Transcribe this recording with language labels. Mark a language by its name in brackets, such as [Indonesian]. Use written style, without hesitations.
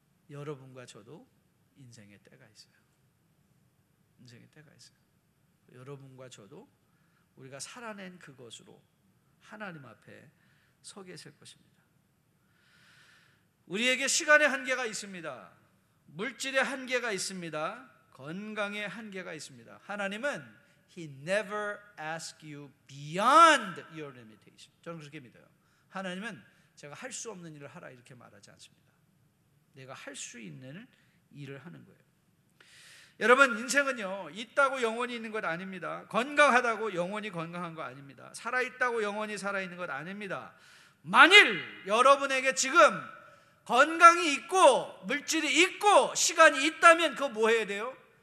[Korean] 여러분과 저도 인생의 때가 있어요. 인생의 때가 있어요. 여러분과 저도 우리가 살아낸 그것으로 하나님 앞에 서게 될 것입니다. 우리에게 시간의 한계가 있습니다. 물질의 한계가 있습니다. 건강의 한계가 있습니다. [English] 하나님은 He never ask you beyond your limitation. [Korean] 저는 그렇게 믿어요. 하나님은 제가 할 수 없는 일을 하라 이렇게 말하지 않습니다. 내가 할 수 있는 일을 하는 거예요. 여러분, 인생은요, 있다고 영원히 있는 것 아닙니다. 건강하다고 영원히 건강한 거 아닙니다. 살아있다고 영원히 살아있는 것 아닙니다. 만일 여러분에게 지금 건강이 있고 물질이 있고 시간이 있다면 그거 뭐 해야 돼요?